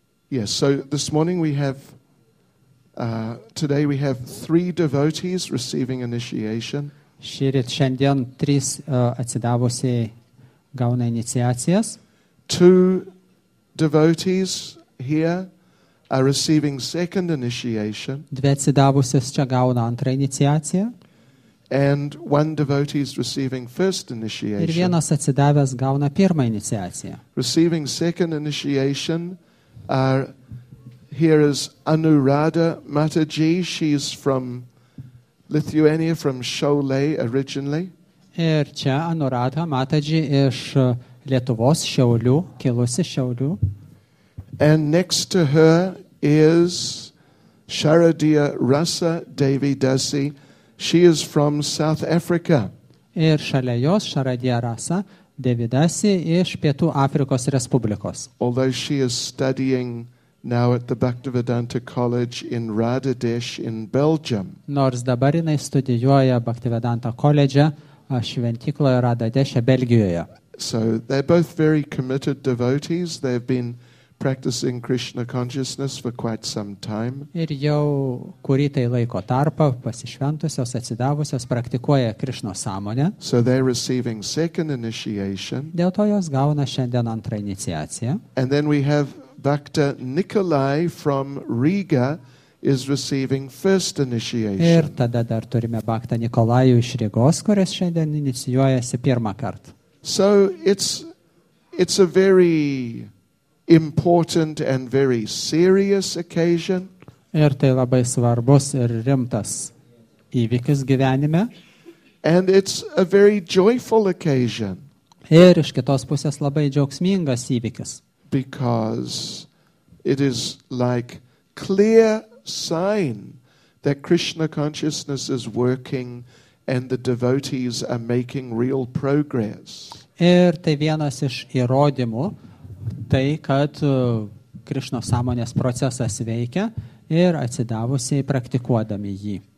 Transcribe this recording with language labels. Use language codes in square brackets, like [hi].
[en] Yes, so this morning we have, today we have three devotees receiving initiation. [lt] Šįryt šiandien trys atsidavusiai gauna iniciacijas. [en] Two devotees here are receiving second initiation. [lt] Dvi atsidavusios čia gauna antrą iniciaciją. [en] And one devotee is receiving first initiation. [lt] Ir vienas atsidavęs gauna pirmą iniciaciją. [en] Receiving second initiation are here is Anuradha Mataji. She's from Lithuania, from Šiauliai originally. [lt] Ir čia Anuradha Mataji iš Lietuvos Šiaulių, kilusi Šiaulių. [en] And next to her is Sharadiya Rasa Devi Dasi. She is from South Africa. [lt] Ir šalia jos Sharadiya Rasa Devi Dasi iš Pietų Afrikos Respublikos. [en] Although she is studying now at the Bhaktivedanta College in Radadesh in Belgium. [lt] Nors dabar jinai studijuoja Bhaktivedanta koledže šventykloje Radadeše Belgijoje. [en] So they're both very committed devotees. They've been practicing Krishna consciousness for quite some time. [lt] Ir jau kurį tai laiko tarpą pasišventusios, atsidavusios praktikuoja Krishna sąmonę. [en] So they're receiving second initiation. [lt] Dėl to jos gauna šiandien antrą iniciaciją. [en] And then we have Bhakta Nikolai from Riga is receiving first initiation. [lt] Ir tada dar turime Bhakta Nikolajų iš Rygos, kuris šiandien inicijuojasi pirmą kartą. [en] So it's a very important and very serious occasion. [lt] Ir tai labai svarbus ir rimtas įvykis gyvenime. [en] And it's a very joyful occasion. [lt] Ir iš kitos pusės labai džiaugsmingas įvykis. [en] Because it is like clear sign that Krishna consciousness is working and the devotees are making real progress. [lt] Ir tai vienas iš įrodymų, tai kad Krishna sąmonės procesas veikia ir atsidavusiai praktikuodami jį.